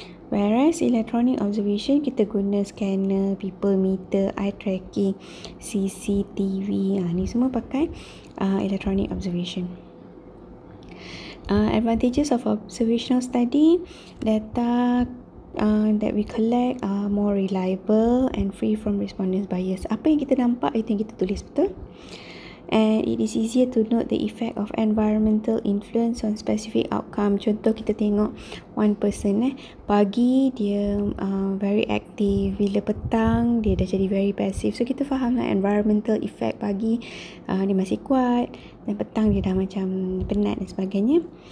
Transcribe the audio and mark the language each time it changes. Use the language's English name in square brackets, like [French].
[English] Whereas electronic observation, [Malay] kita guna [English] scanner, people meter, eye tracking, CCTV, [Malay] ni semua pakai [English] electronic observation. Advantages of observational study, data that we collect are more reliable and free from respondent bias. [Malay] Apa yang kita nampak, itu yang kita tulis, betul? [English] And it is easier to note the effect of environmental influence on specific outcome. [Malay] Contoh kita tengok one person pagi dia [English] very active, [Malay] bila petang dia dah jadi [English] very passive. [Malay] So kita faham lah environmental effect, pagi dia masih kuat dan petang dia dah macam penat dan sebagainya.